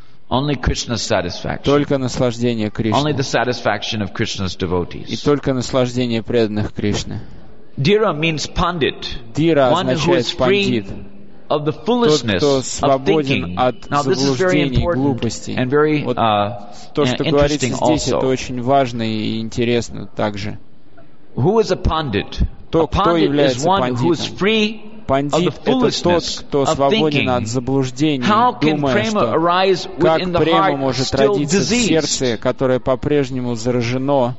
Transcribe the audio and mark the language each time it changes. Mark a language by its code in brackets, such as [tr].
[en] Only Krishna's satisfaction. Only the satisfaction of Krishna's devotees. Dira means pandit. Dira one who is free pandit. Of the foolishness of thinking. Now this is very important and very interesting also. [ru] Важно и интересно также. [en] Who is a pandit? A pandit is one who is free of the foolishness of thinking. How can prema arise within the heart still diseased?